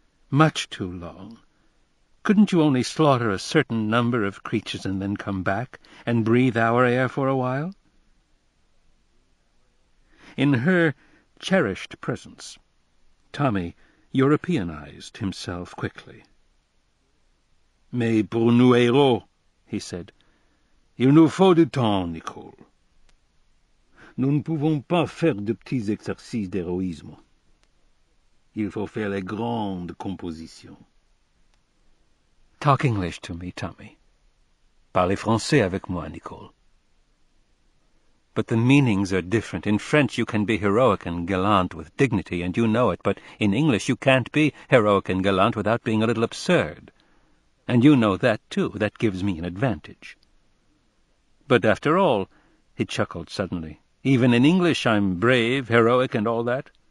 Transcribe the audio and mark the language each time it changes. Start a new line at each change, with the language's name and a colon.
English: "Much too long. Couldn't you only slaughter a certain number of creatures and then come back and breathe our air for a while?" In her cherished presence, Tommy Europeanized himself quickly.
French: "Mais pour nous héros,"
English: he said,
French: "il nous faut du temps, Nicole. Nous ne pouvons pas faire de petits exercices d'héroïsme. Il faut faire les grandes compositions."
English: "Talk English to me, Tommy.
French: Parlez français avec moi, Nicole."
English: "But the meanings are different. In French you can be heroic and gallant with dignity, and you know it, but in English you can't be heroic and gallant without being a little absurd. And you know that, too. That gives me an advantage." "But after all," he chuckled suddenly, "even in English I'm brave, heroic, and all that."